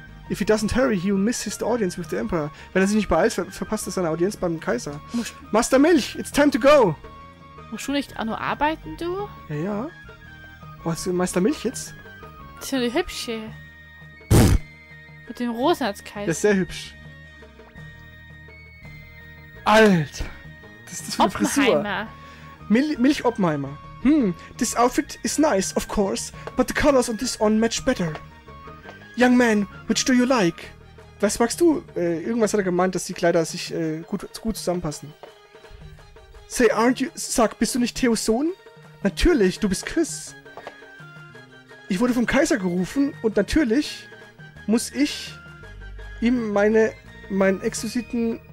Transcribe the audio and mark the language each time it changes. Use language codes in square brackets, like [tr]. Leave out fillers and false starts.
[en] If he doesn't hurry, he'll miss his audience with the Emperor. [de] Wenn er sich nicht beeilt, verpasst er seine Audienz beim Kaiser. [en] Master Milch, it's time to go! [de] Musst du nicht auch nur arbeiten, du? Ja, ja. Was ist Meister Milch jetzt? Das ist ja eine hübsche. Mit dem Rosen als Kaiser. Der ist sehr hübsch. Alter. Das ist das für eine Frisur. Oppenheimer. Milch Oppenheimer. [en] This outfit is nice, of course, but the colors on this one match better. Young man, which do you like? [de] Was magst du? Irgendwas hat er gemeint, dass die Kleider sich gut zusammenpassen. [en] Say, aren't you... [de] Sag, bist du nicht Theos Sohn? Natürlich, du bist Chris. Ich wurde vom Kaiser gerufen und natürlich muss ich ihm meinen exquisiten